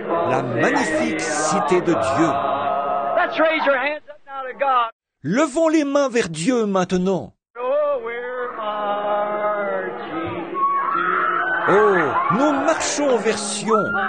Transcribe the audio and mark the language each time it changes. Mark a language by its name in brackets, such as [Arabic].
[French] La magnifique cité de Dieu. [English] Let's raise your hands up now to God. [French] Levons les mains vers Dieu maintenant. [English] Oh, we're marching. [French] Oh, nous marchons vers Sion.